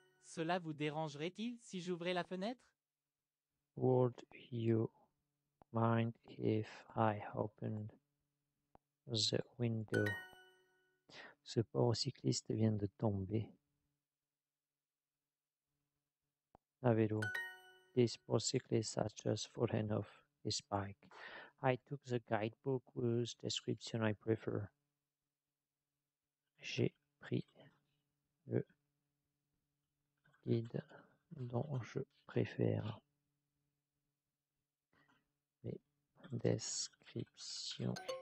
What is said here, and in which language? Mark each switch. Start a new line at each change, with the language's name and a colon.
French: Cela vous dérangerait-il si j'ouvrais la fenêtre?
English: Would you mind if I opened the window?
French: Ce pauvre cycliste vient de tomber. À vélo.
English: This poor cyclist has just fallen off his bike. I took the guidebook whose description I prefer.
French: J'ai pris le guide dont je préfère les descriptions.